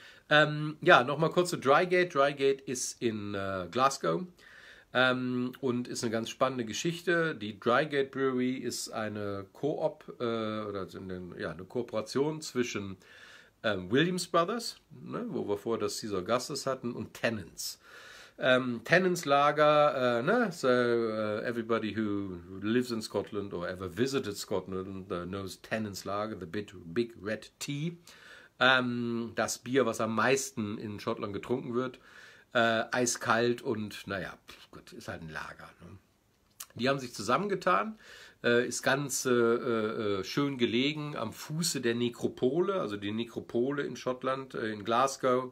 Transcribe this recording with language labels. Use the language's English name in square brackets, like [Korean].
[German] Ja, nochmal kurz zu Drygate. Drygate ist in Glasgow. Und ist eine ganz spannende Geschichte. Die Drygate Brewery ist eine Koop, ja, eine Kooperation zwischen Williams Brothers, ne, wo wir vorher das Caesar Augustus hatten, und Tennent's. [English] Tennent's Lager, ne, so everybody who lives in Scotland or ever visited Scotland knows Tennent's Lager, the big red tea. [German] Das Bier, was am meisten in Schottland getrunken wird. Eiskalt und naja, gut, ist halt ein Lager. Ne? Die haben sich zusammengetan, ist ganz schön gelegen am Fuße der Nekropole, also die Nekropole in Schottland, in Glasgow.